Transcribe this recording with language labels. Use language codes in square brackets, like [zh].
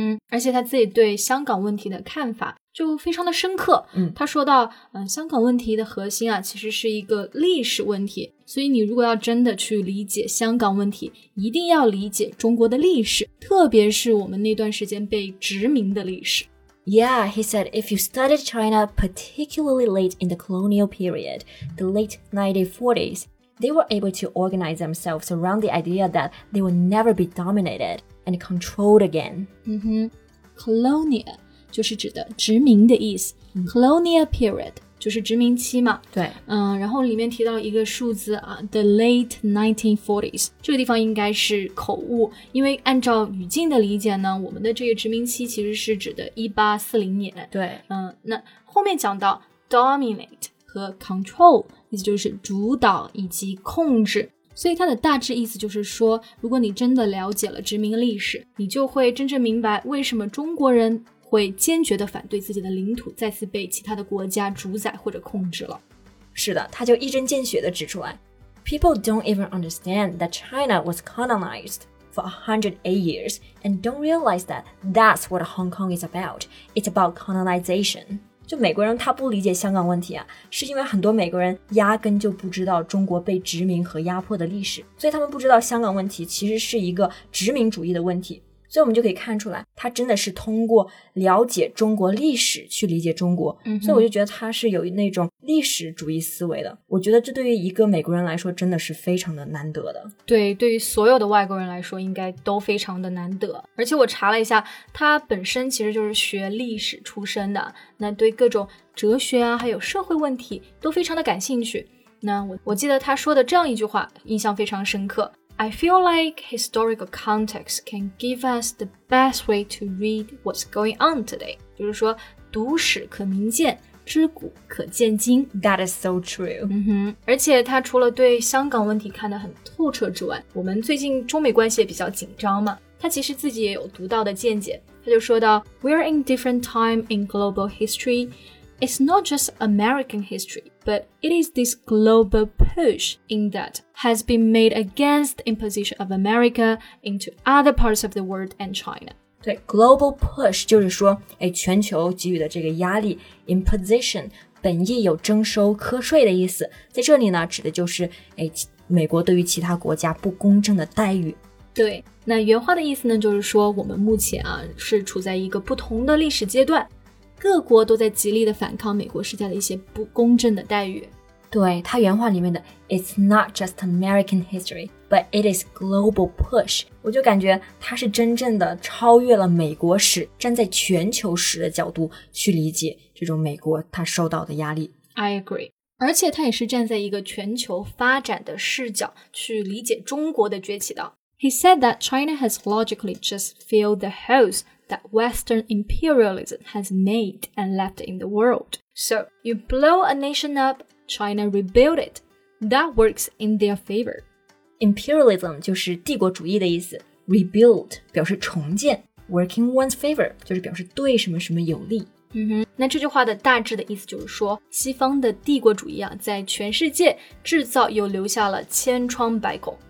[zh] 而且他自己对香港问题的看法就非常的深刻。他说到香港问题的核心啊，其实是一个历史问题，所以你如果要真的去理解香港问题，一定要理解中国的历史，特别是我们那段时间被殖民的历史。 [en] Yeah, he said if you studied China particularly late in the colonial period, the late 1940s, they were able to organize themselves around the idea that they would never be dominated and controlled again. [zh] Colonial 就是指的殖民的意思。Colonial period 就是殖民期嘛。对。然后里面提到一个数字啊， [en] the late 1940s, [zh] 这个地方应该是口误，因为按照语境的理解呢，我们的这个殖民期其实是指的1840年。对。那后面讲到 dominate 和 control, 意思就是主导以及控制。所以它的大致意思就是说，如果你真的了解了殖民历史，你就会真正明白为什么中国人会坚决地反对自己的领土再次被其他的国家主宰或者控制了。是的，他就一针见血地指出来， [en] People don't even understand that China was colonized for 108 years and don't realize that that's what Hong Kong is about. It's about colonization. [zh] 就美国人他不理解香港问题啊，是因为很多美国人压根就不知道中国被殖民和压迫的历史，所以他们不知道香港问题其实是一个殖民主义的问题。所以我们就可以看出来，他真的是通过了解中国历史去理解中国。所以我就觉得他是有那种历史主义思维的，我觉得这对于一个美国人来说真的是非常的难得的。对，对于所有的外国人来说应该都非常的难得。而且我查了一下，他本身其实就是学历史出身的，那对各种哲学啊还有社会问题都非常的感兴趣。那 我记得他说的这样一句话印象非常深刻， [en] I feel like historical context can give us the best way to read what's going on today. [zh] 就是说，读史可明鉴，知古可见今。 [en] That is so true. [zh] 嗯哼，而且他除了对香港问题看得很透彻之外，我们最近中美关系也比较紧张嘛，他其实自己也有独到的见解。他就说到 [en] We are in different time in global history. It's not just American history, but it is this global push in that has been made against the imposition of America into other parts of the world and China. [zh] 对 ,global push 就是说诶全球给予的这个压力 ,imposition, 本意有征收科税的意思。在这里呢指的就是诶美国对于其他国家不公正的待遇。对，那原话的意思呢就是说我们目前啊是处在一个不同的历史阶段，各国都在极力的反抗美国施加的一些不公正的待遇。对，它原话里面的 [en] It's not just American history, but it is global push. [zh] 我就感觉它是真正的超越了美国史，站在全球史的角度去理解这种美国它受到的压力。 [en] I agree. [zh] 而且它也是站在一个全球发展的视角去理解中国的崛起的。 [en] He said that China has logically just filled the holes that Western imperialism has made and left in the world. So, you blow a nation up,China rebuilt it. That works in their favor. [zh] Imperialism 就是帝国主义的意思。Rebuild 表示重建。 Work in one's favor 就是表示对什么什么有利。嗯哼，那这句话的大致的意思就是说，西方的帝国主义啊，在全世界制造又留下了千疮百孔。